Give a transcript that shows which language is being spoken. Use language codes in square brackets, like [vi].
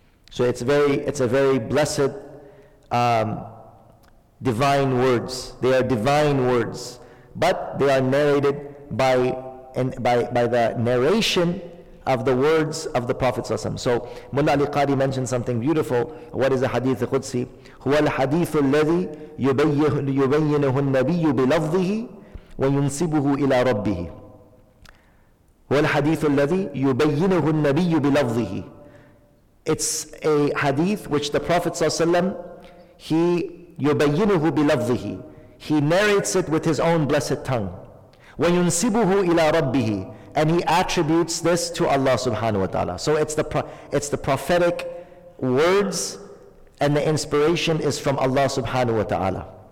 [en] So it's a very blessed divine words. They are divine words, but they are narrated by the narration of the words of the Prophet ﷺ. So Mullah Ali Qari mentioned something beautiful. What is a hadith al-Qudsi? [ar] هو الحديث الذي يبينه النبي بلفظه وينسبه إلى ربه. هو الحديث الذي يبينه النبي بلفظه. [en] It's a hadith which the Prophet ﷺ, he [ar] يبينه بلفظه. [en] He narrates it with his own blessed tongue. [ar] وَيُنْسِبُهُ إِلَىٰ رَبِّهِ, [en] and he attributes this to Allah subhanahu wa ta'ala. So it's the prophetic words, and the inspiration is from Allah subhanahu wa ta'ala.